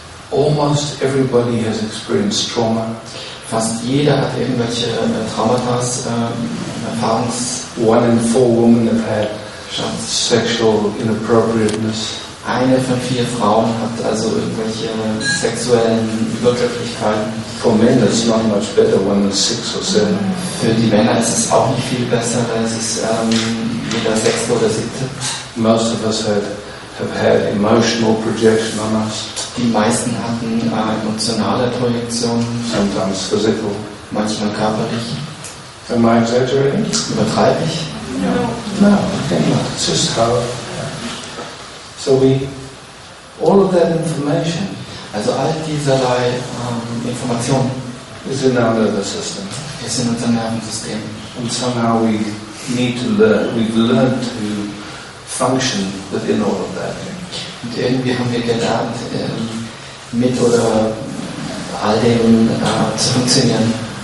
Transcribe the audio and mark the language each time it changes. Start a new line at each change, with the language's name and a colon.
English: almost everybody has experienced trauma.
German: Fast jeder hat irgendwelche Traumata, Erfahrungs.
English: One in four women have had sexual inappropriateness.
German: Eine von vier Frauen hat also irgendwelche sexuellen Übergriffigkeiten.
English: For men it's not much better, one in six or seven.
German: Für die Männer ist es auch nicht viel besser, weil es ist jeder sechste oder siebte.
English: Most of us have had emotional projection on us.
German: Die meisten hatten emotionale Projektionen.
English: Sometimes physical.
German: Manchmal körperlich.
English: Am I exaggerating?
German: Übertreibe ich?
English: No. No. It's just how. So we. All of that information.
German: Also all dieserlei Informationen.
English: Is in our nervous system.
German: Ist in unserem Nervensystem.
English: And somehow we need to learn. We've learned to function within all of that.
German: Und irgendwie haben wir gelernt, mit oder all dem zu funktionieren.